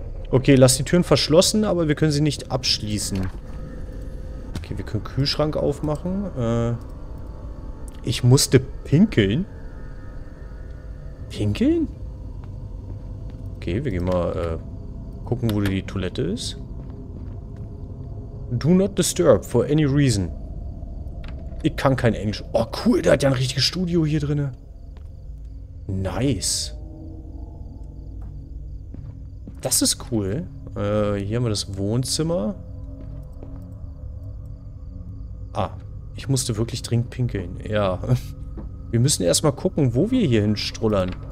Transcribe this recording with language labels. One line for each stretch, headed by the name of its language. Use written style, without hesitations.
German: Okay, lass die Türen verschlossen, aber wir können sie nicht abschließen. Okay, wir können Kühlschrank aufmachen. Ich musste pinkeln. Pinkeln? Okay, wir gehen mal gucken, wo die Toilette ist.
English: Do not disturb for any reason.
German: Ich kann kein Englisch. Oh cool, da hat ja ein richtiges Studio hier drin. Nice. Das ist cool. Hier haben wir das Wohnzimmer. Ah, ich musste wirklich dringend pinkeln. Ja. Wir müssen erstmal gucken, wo wir hier hinstrullern.